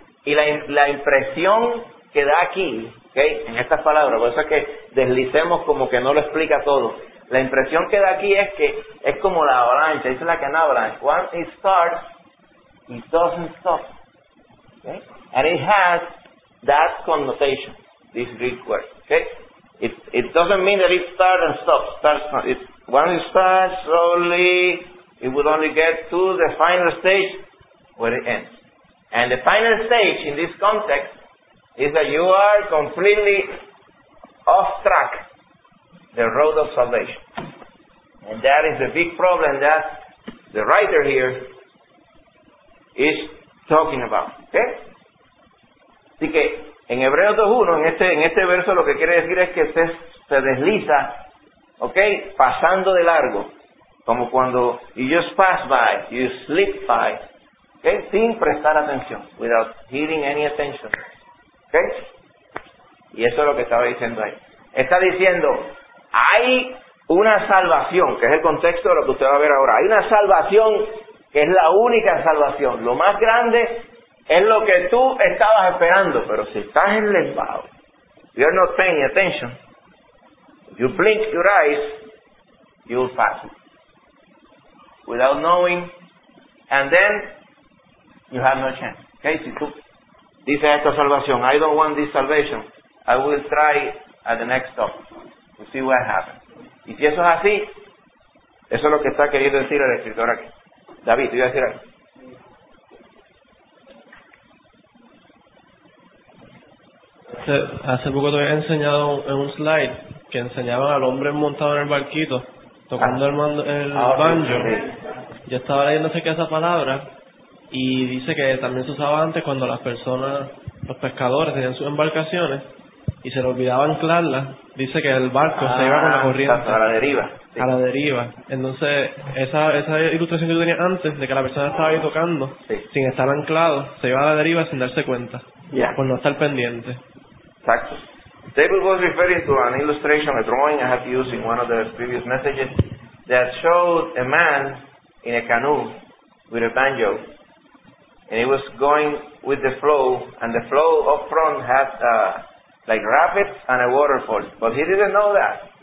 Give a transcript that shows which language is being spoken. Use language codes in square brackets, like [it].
[es] Y la impresión que da aquí, okay, en estas palabras, por eso es que deslicemos como que no lo explica todo. La impresión que da aquí es que es como la avalancha, es la que es una avalancha. [en] Once it starts, it doesn't stop. Okay? And it has that connotation, this Greek word. Okay? It doesn't mean that it starts and stops. Once it starts slowly, it will only get to the final stage where it ends. And the final stage in this context is that you are completely off track. The road of salvation. And that is a big problem that the writer here is talking about. Okay? [es] Así que, en Hebreos 2.1, en este verso lo que quiere decir es que se desliza, okay, pasando de largo. Como cuando [en] you just pass by, you slip by, okay, [es] sin prestar atención, [en] without giving any attention. Okay? [es] Y eso es lo que estaba diciendo ahí. Está diciendo, hay una salvación, que es el contexto de lo que usted va a ver ahora. Hay una salvación que es la única salvación. Lo más grande es lo que tú estabas esperando. Pero si estás en lesbado, [en] you're not paying attention, you blink your eyes, you'll pass it. Without knowing, and then you have no chance. Okay, [es] si tú dices esta salvación, [en] I don't want this salvation, I will try at the next stop. We'll see what happens. [es] Y si eso es así, eso es lo que está queriendo decir el escritor aquí. David, ¿te iba a decir algo? Hace poco te había enseñado en un slide que enseñaban al hombre montado en el barquito tocando el banjo. Sí. Yo estaba leyendo acerca de esa palabra y dice que también se usaba antes cuando las personas, los pescadores, tenían sus embarcaciones y se le olvidaba anclarla. Dice que el barco se iba con la corriente. A la deriva. Sí. A la deriva. Entonces, esa ilustración que yo tenía antes, de que la persona estaba ahí tocando, sí, sin estar anclado, se iba a la deriva sin darse cuenta. [en] Yeah. [es] Por no estar pendiente. Exacto. [en] David was referring to an illustration, a drawing I had used in one of the previous messages, that showed a man in a canoe with a banjo. And he was going with the flow, and the flow up front had like rapids and a waterfall, but he didn't know that.